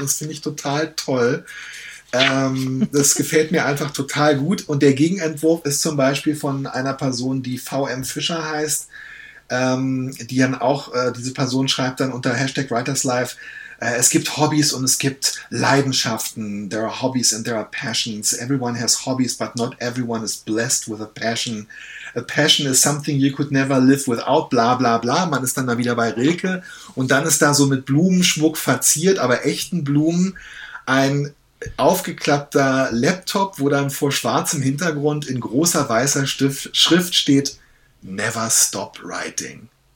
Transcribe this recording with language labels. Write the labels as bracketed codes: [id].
[de] Das finde ich total toll. Das gefällt mir einfach total gut. Und der Gegenentwurf ist zum Beispiel von einer Person, die VM Fischer heißt. Die dann auch, diese Person schreibt dann unter Hashtag WritersLife, es gibt Hobbys und es gibt Leidenschaften. [en] There are hobbies and there are passions. Everyone has hobbies, but not everyone is blessed with a passion. A passion is something you could never live without, bla bla bla. [de] Man ist dann da wieder bei Rilke und dann ist da so mit Blumenschmuck verziert, aber echten Blumen, ein aufgeklappter Laptop, wo dann vor schwarzem Hintergrund in großer weißer Schrift steht: [en] Never stop writing.